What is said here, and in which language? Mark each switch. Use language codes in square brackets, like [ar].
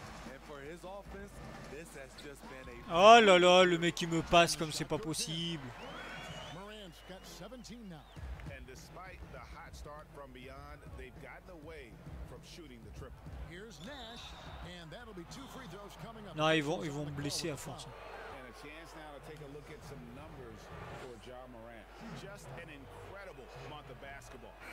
[en] And for his offense, this has just been a... [fr] Oh là là, le mec qui me passe comme c'est pas possible. [en] Morant's got 17 now. And despite the hot start from beyond, they've gotten away from shooting the triple. Here's Nash, and that'll be two free throws coming up. [fr] Non, ils vont me blesser à force. [en] Chance now to take a look at some numbers for Ja Morant. Just an incredible month of basketball.